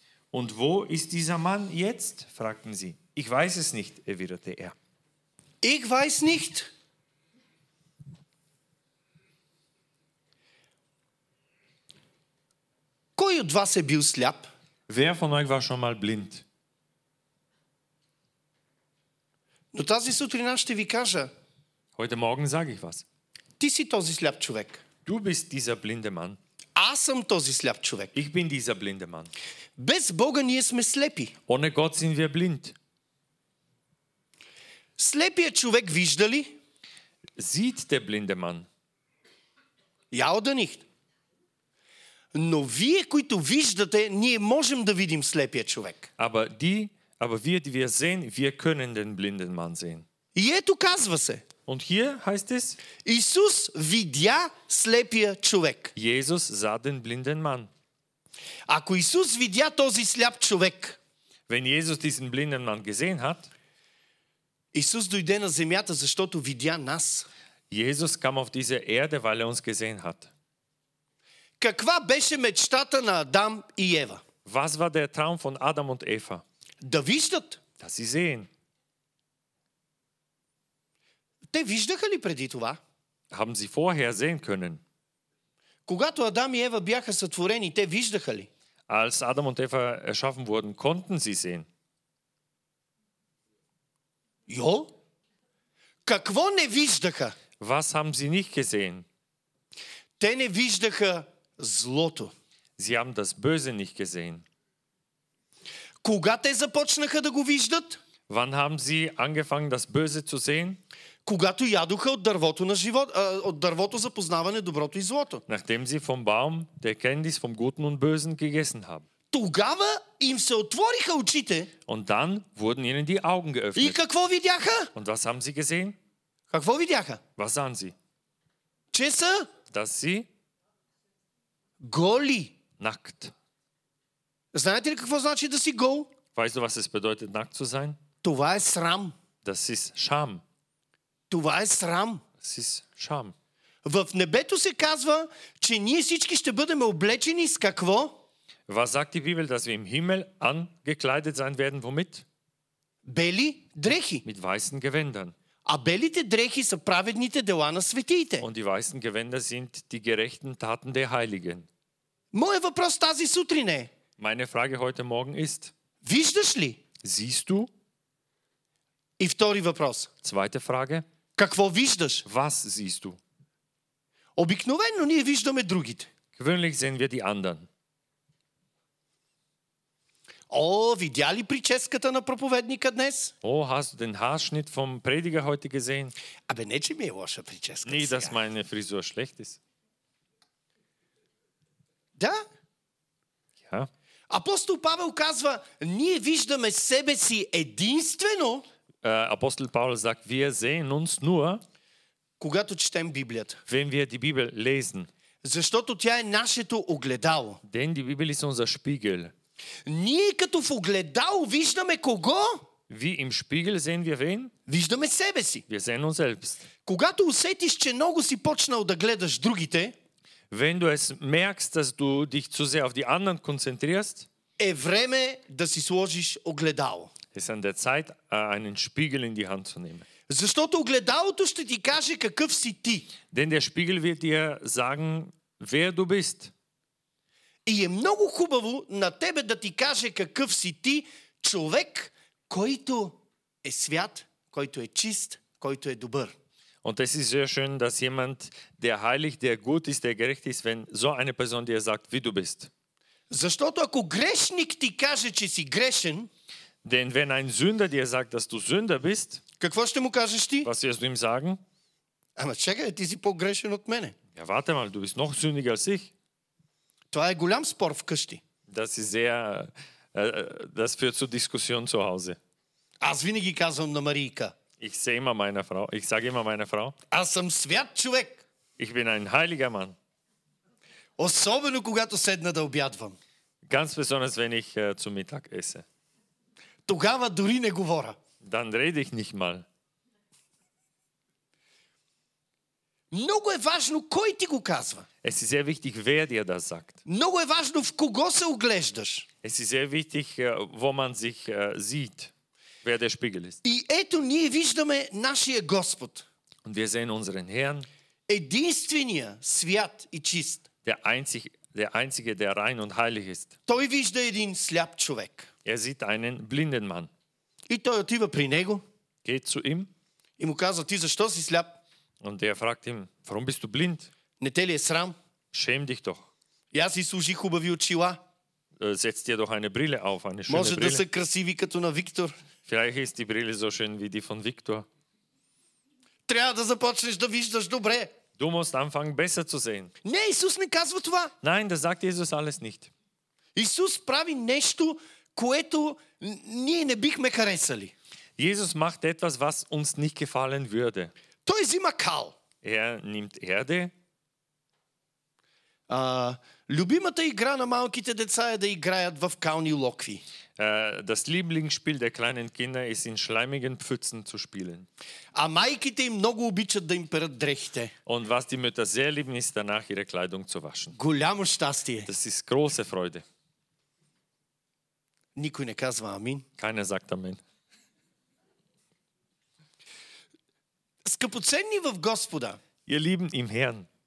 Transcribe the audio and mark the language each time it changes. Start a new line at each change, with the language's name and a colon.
German: Und wo ist dieser Mann jetzt? Fragten sie. Ich weiß es nicht, erwiderte er. Ich weiß nicht.
Bulgarian: Кой от вас е бил сляп?
German: Wer von euch war schon mal blind?
Bulgarian: Но тази сутрин ще ви кажа.
German: Heute Morgen sage ich was.
Bulgarian: Ти си този сляп човек.
German: Du bist dieser blinde Mann.
Bulgarian: Аз съм този сляп човек.
German: Ich bin dieser blinde Mann.
Bulgarian: Без Бога ние сме слепи.
German: Ohne Gott sind wir blind.
Bulgarian: Слепият човек вижда ли?
German: Sieht der blinde Mann? Ja oder nicht?
Bulgarian: Но вие, които виждате, ние можем да видим слепия човек.
German: Aber wir sehen, wir können den blinden Mann sehen.
Bulgarian: И ето казва се.
German: Und hier heißt es,
Bulgarian: Исус видя слепия човек.
German: Jesus sah den blinden Mann.
Bulgarian: Ако Исус видя този сляп човек,
German: wenn Jesus diesen blinden Mann gesehen hat,
Bulgarian: Исус дойде на земята, защото видя нас.
German: Jesus kam auf diese Erde, weil uns gesehen hat.
Bulgarian: Каква беше мечтата на Адам и Ева?
German: Was war der Traum von Adam und Eva?
Bulgarian: Да виждат.
German: Dass sie sehen.
Bulgarian: Те виждаха ли преди това?
German: Haben sie vorher sehen können?
Bulgarian: Когато Адам и Ева бяха сътворени, те виждаха ли?
German: Als Adam und Eva erschaffen wurden, konnten sie sehen.
Bulgarian: Jo? Какво не виждаха?
German: Was haben sie nicht gesehen?
Bulgarian: Те не виждаха злото.
German: Sie haben das Böse nicht gesehen.
Bulgarian: Кога те започнаха да го виждат?
German: Wann haben sie angefangen, das Böse zu sehen?
Bulgarian: Когато ядоха от дървото на живота, от дървото за познаване доброто и злото.
German: Nachdem sie vom Baum der Kenntnis vom Guten und Bösen gegessen haben.
Bulgarian: Тогава им се отвориха очите.
German: Und dann wurden ihnen die Augen geöffnet.
Bulgarian: И какво видяха?
German: Und was haben sie gesehen?
Bulgarian: Какво видяха?
German: Was sahen sie?
Bulgarian: Че са?
German: Dass sie
Bulgarian: голи.
German: Nackt.
Bulgarian: Знаете ли какво значи да си гол?
German: Weißt du, was es bedeutet, nackt zu sein?
Bulgarian: Това е срам.
German: Das ist Scham.
Bulgarian: Това е срам.
German: Das ist Scham.
Bulgarian: В небето се казва, че ние всички ще бъдем облечени с какво?
German: Was sagt die Bibel, dass wir im Himmel angekleidet sein werden, womit?
Bulgarian: Бели дрехи.
German: Mit weißen Gewändern.
Bulgarian: А белите дрехи са праведните дела на светиите.
German: Und die weißen Gewänder sind die gerechten Taten der Heiligen.
Bulgarian: Моя въпрос тази сутрин е.
German: Meine Frage heute Morgen ist.
Bulgarian: Виждаш ли?
German: Siehst du?
Bulgarian: И втори въпрос.
German: Zweite Frage.
Bulgarian: Какво виждаш?
German: Was siehst du?
Bulgarian: Обикновено ние виждаме другите.
German: Gewöhnlich sehen wir die anderen.
Bulgarian: О, видяли прическата на проповедника днес?
German: О, hast du den Haarschnitt vom Prediger heute gesehen?
Bulgarian: Aber не че ми е лоша прическа.
German: Nee, dass meine Frisur schlecht ist.
Bulgarian: Да?
German: Ja.
Bulgarian: Апостол Павел казва: ние виждаме себе си единствено.
German: Апостол Павел sagt: wir sehen uns nur.
Bulgarian: Когато четем Библията.
German: Wenn wir die Bibel lesen.
Bulgarian: Защото тя е нашето огледало.
German: Denn die Bibel ist unser Spiegel.
Bulgarian: Ние като в огледало виждаме кого?
German: Wie im Spiegel sehen wir wen?
Bulgarian: Виждаме себе си.
German: Wir sehen uns selbst.
Bulgarian: Когато усетиш, че много си почнал да гледаш другите,
German: wenn du es merkst, dass du dich zu sehr auf die anderen konzentrierst,
Bulgarian: е време да си сложиш огледало.
German: Es ist an der Zeit, einen Spiegel in die Hand zu nehmen.
Bulgarian: Защото огледалото ще ти каже какъв си ти.
German: Denn der Spiegel wird dir sagen, wer du bist.
Bulgarian: И е много хубаво на тебе да ти каже какъв си ти, човек, който е свят, който е чист, който е добър.
German: Und es ist sehr schön, dass jemand, der heilig, der gut ist, der gerecht ist, wenn so eine Person dir sagt, wie du bist.
Bulgarian: Защото ако грешник ти каже, че си грешен,
German: denn wenn ein Sünder dir sagt, dass du Sünder bist,
Bulgarian: какво ще му кажеш ти?
German: Was wirst du ihm sagen?
Bulgarian: Ама чакай, ти си по-грешен от мене.
German: Ja, warte mal, du bist noch sündiger als ich.
Bulgarian: Това е голям спор вкъщи.
German: Das ist sehr, das führt zu Diskussion zu Hause.
Bulgarian: Аз винаги казвам на Марийка.
German: Ich sehe immer meiner Frau. Ich sage immer meiner Frau.
Bulgarian: Аз съм свят човек.
German: Ich bin ein heiliger Mann.
Bulgarian: Особено когато седна да обядвам.
German: Ganz besonders wenn ich zu Mittag esse.
Bulgarian: Тогава дори не говоря.
German: Dann rede ich nicht mal.
Bulgarian: Много е важно кой ти го казва.
German: Es ist sehr wichtig, wer dir das sagt.
Bulgarian: Много е важно в кого се оглеждаш.
German: Es ist sehr wichtig, wo man sich sieht. Wer der Spiegel ist.
Bulgarian: И ето ние виждаме нашия Господ.
German: Und wir sehen unseren Herrn.
Bulgarian: Единствения свят и чист.
German: Der einzige, der rein und heilig ist.
Bulgarian: Той вижда един сляп човек.
German: Er sieht einen blinden Mann.
Bulgarian: И той отива при него.
German: Geht zu ihm.
Bulgarian: И му казва: ти защо си сляп?
German: Und er fragt ihn: warum bist du blind?
Bulgarian: Не те ли е срам?
German: Schäm dich doch.
Bulgarian: Я си служи хубави очила.
German: Setz dir doch eine Brille auf, eine schöne
Bulgarian: Може
German: Brille.
Bulgarian: Може да са красиви като на Виктор.
German: Vielleicht ist die Brille so schön wie die von Viktor.
Bulgarian: Трябва да започнеш да виждаш добре.
German: Du musst anfangen besser zu sehen.
Bulgarian: Не, Исус не казва това.
German: Nein, das sagt Jesus alles nicht.
Bulgarian: Исус прави нещо, което ние не бихме харесали.
German: Jesus macht etwas, was uns nicht gefallen würde.
Bulgarian: Той взима кал.
German: Er nimmt Erde.
Bulgarian: Любимата игра на малките деца е да играят в кални локви.
German: Das Lieblingsspiel der kleinen Kinder ist in schleimigen Pfützen zu spielen.
Bulgarian: А майките им много обичат да им перат дрехте.
German: Und was die Mütter sehr lieben ist, danach ihre Kleidung zu waschen.
Bulgarian: Голямо щастие.
German: Das ist große Freude.
Bulgarian: Никой не казва амин.
German: Keiner sagt amen.
Bulgarian: Скъпоценни в Господа.
German: Ihr lieben im Herrn.